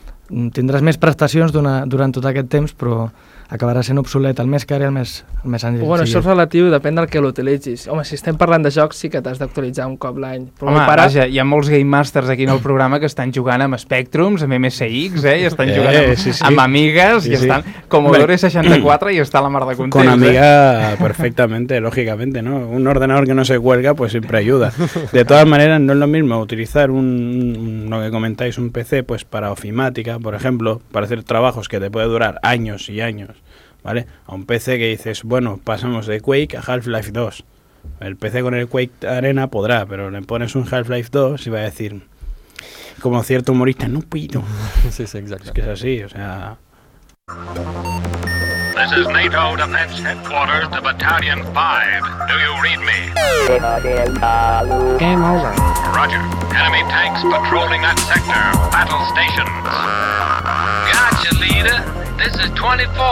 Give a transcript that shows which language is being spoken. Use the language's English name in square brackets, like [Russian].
[Catalan] Tindràs més prestacions durant tot aquest temps, però acabarà sent obsolet el més car i el més senzill. Bueno, això és relatiu, depèn del que l'utilitzis. Home, si estem parlant de jocs, sí que t'has d'actualitzar un cop l'any. Home, vaja, hi ha molts Game Masters aquí en el programa que estan jugant amb Spectrums, amb MSX, i estan jugant amb Amigues, i estan Commodore 64 i està la mar de contents. [Spanish] Con Amiga, perfectamente, lógicamente, ¿no? Un ordenador que no se cuelga, pues siempre ayuda. De todas maneras, no es lo mismo utilizar lo que comentáis, un PC, pues para ofimática, por ejemplo, para hacer trabajos que te puede durar años y años, ¿vale? A un PC que dices, bueno, pasamos de Quake a Half-Life 2. El PC con el Quake Arena podrá, pero le pones un Half-Life 2 y va a decir, como cierto humorista, no pido. Sí, exacto. Es que es así, o sea... [English] This is NATO Defense Headquarters, the Battalion 5. Do you read me? Game over. Roger. Enemy tanks patrolling that sector. Battle stations. Gotcha, leader. This is 24.